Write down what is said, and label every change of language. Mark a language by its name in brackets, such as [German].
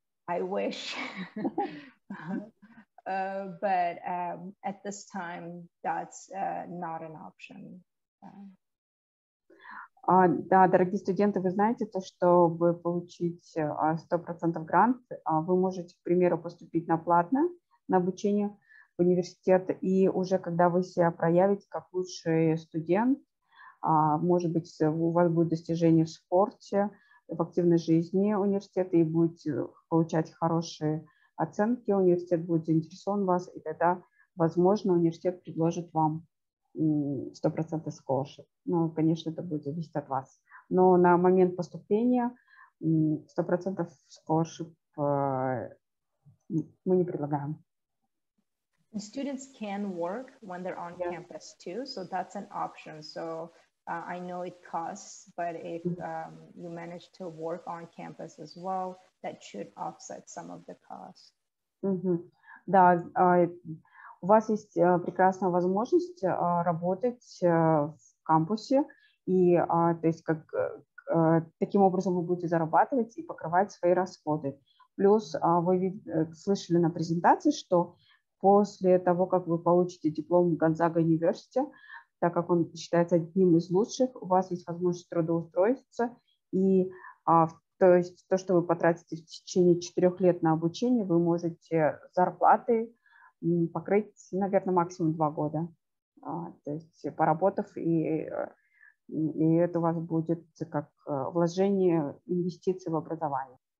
[English] I wish, but at this time, that's not an option. [Russian] Да, дорогие студенты, вы знаете, то, чтобы получить 100% грант, вы можете, к примеру, поступить на платное, на обучение в университет, и уже когда вы себя проявите как лучший студент, может быть, у вас будет достижение в спорте, в активной жизни университета, и будете получать хорошие оценки, университет будет заинтересован в вас, и тогда, возможно, университет предложит вам 100% scholarship. Ну, конечно, это будет зависеть от вас. Но на момент поступления 100% scholarship мы не предлагаем. [English] And students can work when they're on campus too, so that's an option. So I know it costs, but if you manage to work on campus as well, that should offset some of the costs. [Russian] Да, у вас есть прекрасная возможность работать в кампусе, и то есть как таким образом вы будете зарабатывать и покрывать свои расходы. Плюс вы слышали на презентации, что после того, как вы получите диплом Gonzaga University, так как он считается одним из лучших, у вас есть возможность трудоустроиться, и то есть то, что вы потратите в течение 4 лет на обучение, вы можете зарплаты покрыть, наверное, максимум 2 года, то есть поработав, и это у вас будет как вложение, инвестиции в образование.